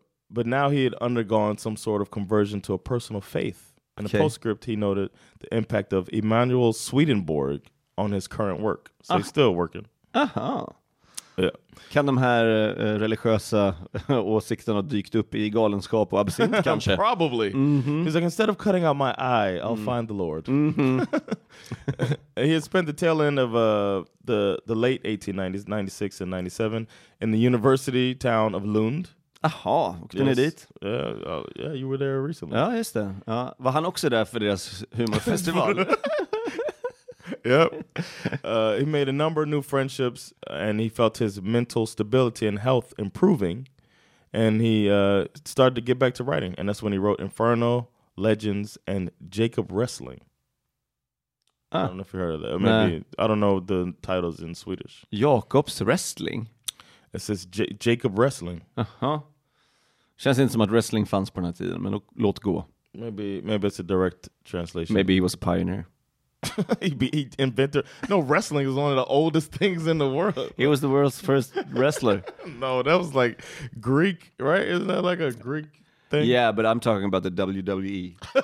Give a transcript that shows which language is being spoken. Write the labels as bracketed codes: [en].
[en] But now he had undergone some sort of conversion to a personal faith. In the postscript, he noted the impact of Emanuel Swedenborg on his current work. So he's still working. Uh-huh. Yeah. [sv] Kan de här religiösa åsikterna ha dykt upp i galenskap och absint kanske? [en] Probably. Mm-hmm. He's like, instead of cutting out my eye, I'll find the Lord. Mm-hmm. He had spent the tail end of the late 1890s, 96 and 97, in the university town of Lund. [sv] Aha, åkte ni dit? [en] Yeah, you were there recently. [sv] Ja, just det. Ja. Var han också där för deras humorfestival? [en] Yep. He made a number of new friendships and he felt his mental stability and health improving. And he started to get back to writing. And that's when he wrote Inferno, Legends, and Jacob Wrestling. I don't know if you heard of that. Maybe. I don't know the titles in Swedish. Jakobs Wrestling? It says Jacob Wrestling. Uh-huh. [sv] Känns inte som att wrestling fanns på den här tiden, men låt gå. [en] Maybe it's a direct translation. Maybe he was a pioneer. he inventor. No, wrestling is one of the oldest things in the world. He was the world's first wrestler. No, that was like Greek, right? Isn't that like a Greek thing? Yeah, but I'm talking about the WWE.